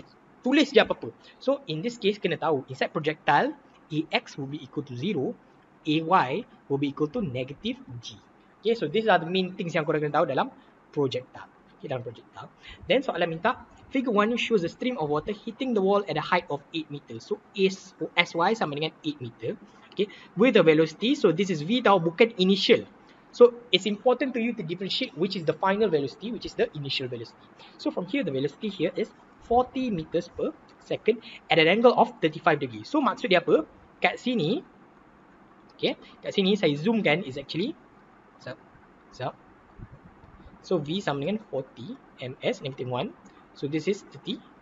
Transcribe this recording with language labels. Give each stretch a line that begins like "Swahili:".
English: You
Malay: tulis je apa-apa.
English: So in this case, kena tahu, inside projectile, AX will be equal to 0, AY will be equal to negative G. Okay, so these are the main things
Malay: yang korang kena tahu dalam
English: projectile. Okay, dalam projectile. Then soalan minta, figure 1 shows a stream of water hitting the wall at a height of 8 meters.
Malay: So SY sama dengan 8 meters.
English: Okay, with the velocity, so this is V tau, bukan initial. So it's important to you to differentiate which is the final velocity, which is the initial velocity. So from here, the velocity here is 40 meters per second at an angle of 35 degrees. So
Malay: maksud dia apa? Kat sini, okay, kat sini saya zoom kan, is actually, so V sama dengan 40 ms negative 1.
English: So this is 35.